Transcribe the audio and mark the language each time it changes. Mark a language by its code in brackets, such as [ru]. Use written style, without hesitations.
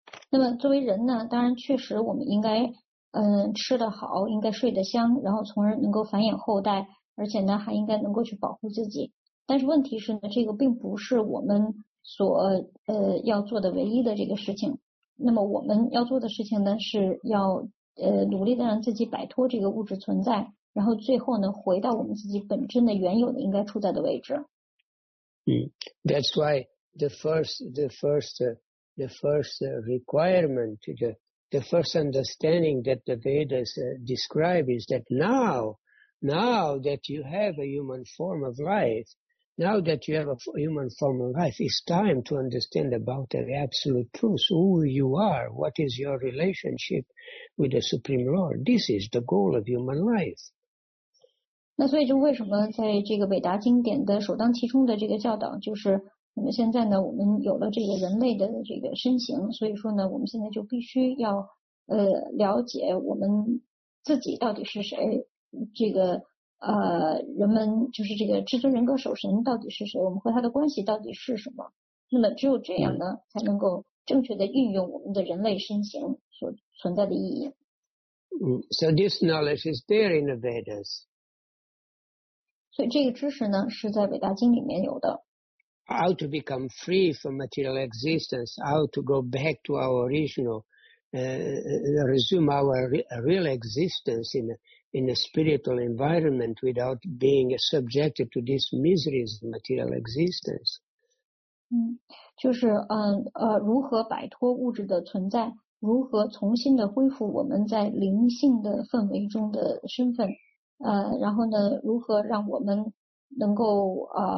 [zh] 那么作为人呢，当然确实我们应该吃得好，应该睡得香，然后从而能够繁衍后代，而且呢还应该能够去保护自己。但是问题是呢，这个并不是我们所要做的唯一的这个事情。那么我们要做的事情呢，是要努力的让自己摆脱这个物质存在，然后最后呢回到我们自己本真的原有的应该处在的位置。 [en] That's why the first requirement, the first understanding that the Vedas describe is that now that you have a human form of life, now that you have a human form of life, it's time to understand about the absolute truth, who you are, what is your relationship with the Supreme Lord. This is the goal of human life. [zh] 那所以就为什么在这个伟达经典的首当其冲的这个教导，就是我们现在呢，我们有了这个人类的这个身形，所以说呢，我们现在就必须要了解我们自己到底是谁，这个人们就是这个至尊人格守神到底是谁，我们和他的关系到底是什么？那么只有这样呢，才能够正确的运用我们的人类身形所存在的意义。 [en] So this knowledge is there in the Vedas. [zh] 所以这个知识呢，是在伟大经里面有的。 [en] How to become free from material existence, how to go back to our original, resume our real existence in a spiritual environment without being subjected to these miseries of material existence. [zh] 就是如何摆脱物质的存在，如何重新的恢复我们在灵性的氛围中的身份，然后呢，如何让我们能够